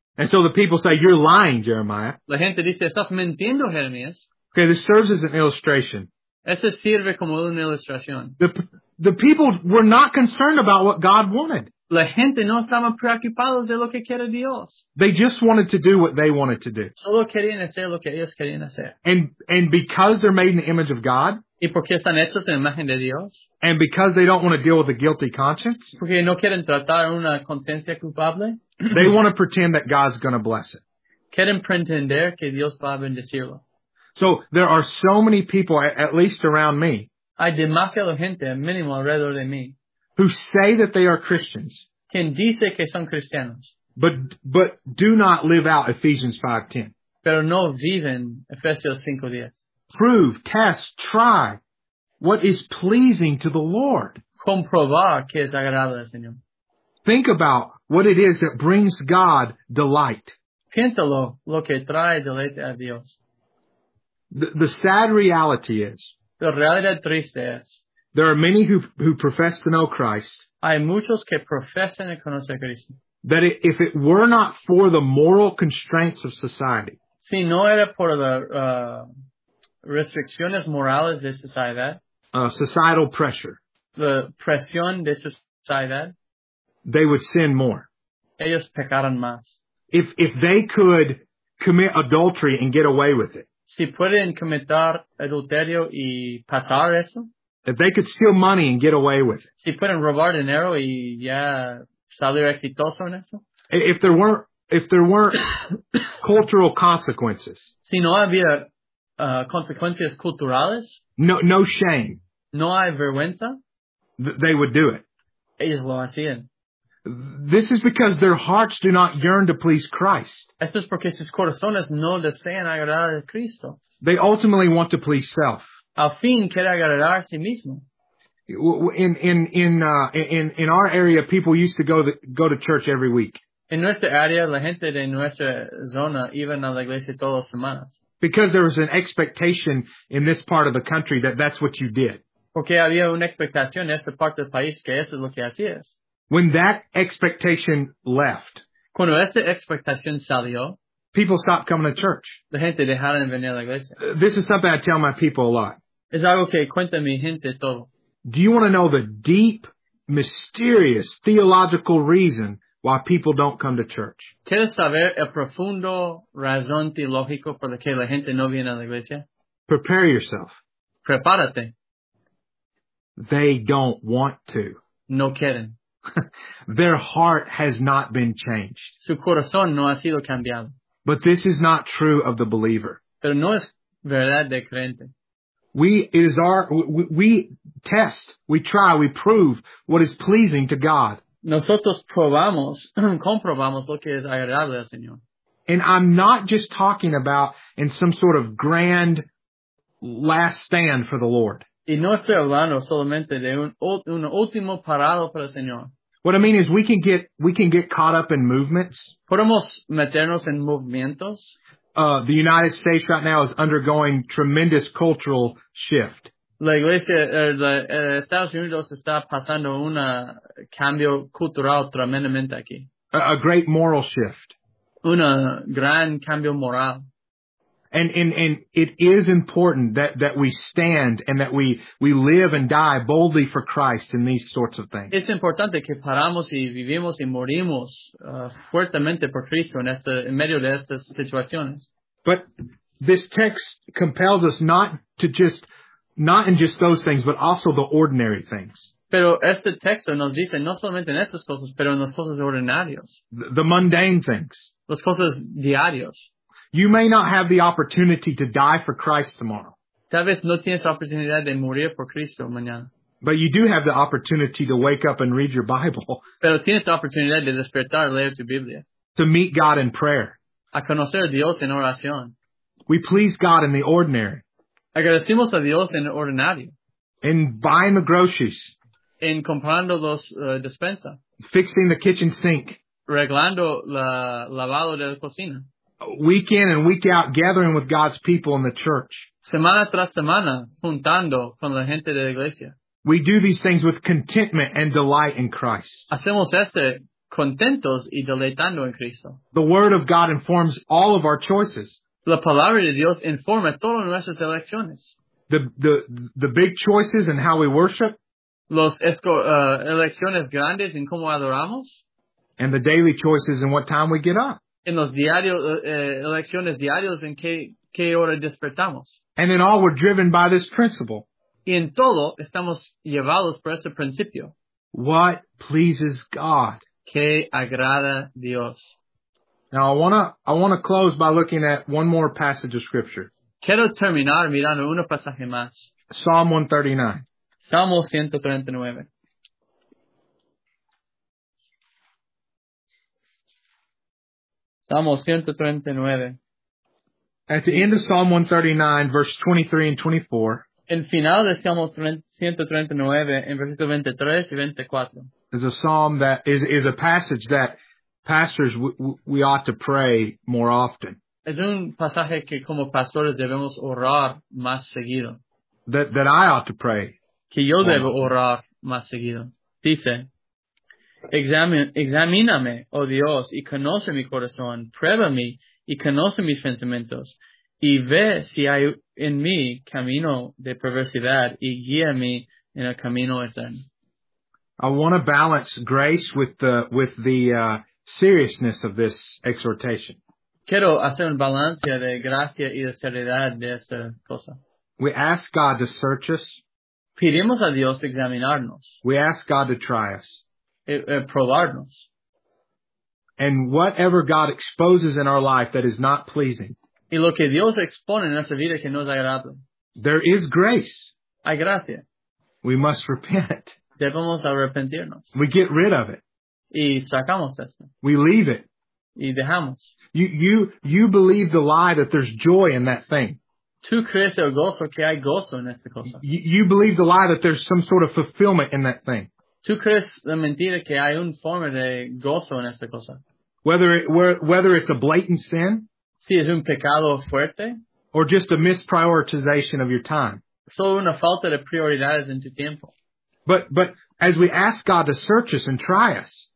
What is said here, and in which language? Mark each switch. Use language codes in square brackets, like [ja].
[en] And so the people say, you're lying, Jeremiah. [es] La gente dice, estás mintiendo, Jeremías. [en] Okay, this serves as an illustration. [es] Eso sirve como una ilustración. [en] The people were not concerned about what God wanted. [es] La gente no estaba preocupada de lo que quería Dios. [en] They just wanted to do what they wanted to do. [es] Solo querían hacer lo que ellos querían hacer. [en] And because they're made in the image of God. [es] Y porque están hechos en la imagen de Dios. [en] And because they don't want to deal with a guilty conscience. [es] Porque no quieren tratar una conciencia culpable. [en] They want to pretend that God's going to bless it. [es] Quieren pretender que Dios va a bendecirlo. [en] So there are so many people, at least around me. [es] Hay demasiada gente, mínimo alrededor de mí. [en] Who say that they are Christians. [es] Quien dice que son cristianos. [en] But do not live out Ephesians 5:10. [es] Pero no viven Efesios 5:10. [en] Prove, test, try what is pleasing to the Lord. [es] Comprobar que es agradable al Señor. [en] Think about what it is that brings God delight. [es] Piénsalo lo que trae deleite a Dios. [en] The sad reality is. [es] La realidad triste es. [en] There are many who profess to know Christ. [es] Hay muchos que profesan a conocer a Cristo. [en] That if it were not for the moral constraints of society. [es] Si no era por las restricciones morales de sociedad. [en] Societal pressure. [es] La presión de sociedad. [en] They would sin more. [es] Ellos pecaron más. [en] If they could commit adultery and get away with it. [es] Si pueden cometer adulterio y pasar eso. [en] If they could steal money and get away with it. [es] Si pueden robar dinero y ya salir exitoso en eso. [en] If there weren't cultural consequences. [es] Si no había consecuencias culturales. [en] No shame. [es] No hay vergüenza. [en] They would do it. [es] Ellos lo hacían. [en] This is because their hearts do not yearn to please Christ. [es] Esto es porque sus corazones no desean agradar a Cristo. [en] They ultimately want to please self. [es] Al fin quiere agradar a sí mismo. [en] In our area, people used to go to church every week. [es] En nuestra área, la gente de nuestra zona iban a la iglesia todas las semanas. [en] Because there was an expectation in this part of the country that's what you did. [es] Porque había una expectación en esta parte del país que eso es lo que hacías. [en] When that expectation left, [es] cuando esta expectación salió, [en] people stopped coming to church. [es] La gente dejaron de venir a la iglesia. [en] This is something I tell my people a lot. [es] Es algo que cuenta mi gente todo. [en] Do you want to know the deep, mysterious, theological reason why people don't come to church? [es] ¿Quieres saber el profundo razón teológico por la que la gente no viene a la iglesia? [en] Prepare yourself. [es] Prepárate. [en] They don't want to. [es] No quieren. [en] Their heart has not been changed. [es] Su corazón no ha sido cambiado. [en] But this is not true of the believer. [es] Pero no es verdad de creyente. [en] We test, we try, we prove what is pleasing to God. [es] Nosotros probamos, comprobamos lo que es agradable al Señor. [en] And I'm not just talking about in some sort of grand last stand for the Lord. [es] Y no estoy hablando solamente de un último parado para el Señor. [en] What I mean is we can get caught up in movements. [es] Podemos meternos en movimientos. [en] The United States right now is undergoing tremendous cultural shift. [es] Estados Unidos está pasando un cambio cultural tremendamente aquí. [en] A great moral shift. [es] Un gran cambio moral. [en] And it is important that we stand and that we live and die boldly for Christ in these sorts of things. [es] Es importante que paramos y vivimos y morimos fuertemente por Cristo en medio de estas situaciones. [en] But this text compels us not in just those things, but also the ordinary things. [es] Pero este texto nos dice no solamente en estas cosas, pero en las cosas ordinarias. [en] The mundane things. [es] Las cosas diarias. [en] You may not have the opportunity to die for Christ tomorrow. [es] Tal vez no tienes oportunidad de morir por Cristo mañana. [en] But you do have the opportunity to wake up and read your Bible. [es] Pero tienes oportunidad de despertar y leer tu Biblia. [en] To meet God in prayer. [es] A conocer a Dios en oración. [en] We please God in the ordinary. [es] Agradecemos a Dios en el ordinario. [en] In buying the groceries. [es] En comprando los despensas. [en] Fixing the kitchen sink. [es] arreglando la lavado de la cocina. [en] Week in and week out, gathering with God's people in the church. [es] Semana tras semana, juntando con la gente de la iglesia. [en] We do these things with contentment and delight in Christ. [es] Hacemos este contentos y deleitando en Cristo. [en] The Word of God informs all of our choices. [es] La palabra de Dios informa todas nuestras elecciones. [en] The big choices and how we worship. [es] Los elecciones grandes en cómo adoramos. [en] And the daily choices and what time we get up. [es] En los diarios, elecciones diarios en qué hora despertamos. [en] And in all, we're driven by this principle. [es] Y en todo, estamos llevados por ese principio. [en] What pleases God? [es] Que agrada Dios. [en] Now, I wanna close by looking at one more passage of Scripture. [es] Quiero terminar mirando un pasaje más. [en] Psalm 139. Salmo [es] 139. [en] Psalm 139. At the end of Psalm 139, verse 23 and 24. [es] En final de Salmo 139, en versículo 23 y 24. [en] Is a psalm that is a passage that pastors we ought to pray more often. [es] Es un pasaje que como pastores debemos orar más seguido. [en] That I ought to pray. [es] Que yo debo orar más seguido. Dice. Examíname, oh Dios, y conoce mi corazón. Pruébame, y conoce mis pensamientos. Y ve si hay en mí camino de perversidad, y guíame en el camino eterno. [en] I want to balance grace with the seriousness of this exhortation. [es] Quiero hacer un balance de gracia y de seriedad de esta cosa. [en] We ask God to search us. [es] Pedimos a Dios examinarnos. [en] We ask God to try us. [es] Probarnos. [en] And whatever God exposes in our life that is not pleasing. [es] Y lo que Dios expone en nuestra vida que no es agradable. [en] There is grace. [es] Hay gracia. [en] We must repent. [es] Debemos arrepentirnos. [en] We get rid of it. [es] Y sacamos esto. [en] We leave it. [es] Y dejamos. [en] You believe the lie that there's joy in that thing. [es] Tú crees el gozo que hay gozo en esta cosa. [en] You believe the lie that there's some sort of fulfillment in that thing. [es] ¿Tú crees la mentira que hay un forma de gozo en esta cosa? [en] Whether it's a blatant sin. [es] Si es un pecado fuerte. [en] Or just a misprioritization of your time. [es] Solo una falta de prioridades en tu tiempo. [en] But as we ask God to search us and try us.